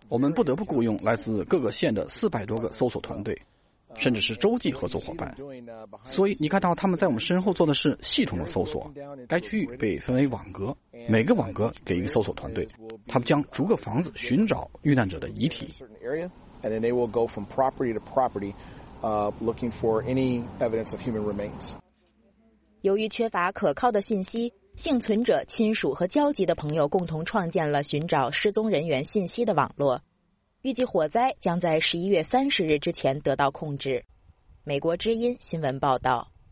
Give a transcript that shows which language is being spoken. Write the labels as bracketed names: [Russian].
[Chinese] 我们不得不雇佣来自各个县的400多个搜索团队，甚至是洲际合作伙伴。所以你看到他们在我们身后做的是系统的搜索。该区域被分为网格，每个网格给一个搜索团队，他们将逐个房子寻找遇难者的遗体。 [English] And then they will go from property to property, looking for any evidence of human remains. [Chinese] 由于缺乏可靠的信息。幸存者亲属和焦急的朋友共同创建了寻找失踪人员信息的网络，预计火灾将在11月30日之前得到控制。美国之音新闻报道。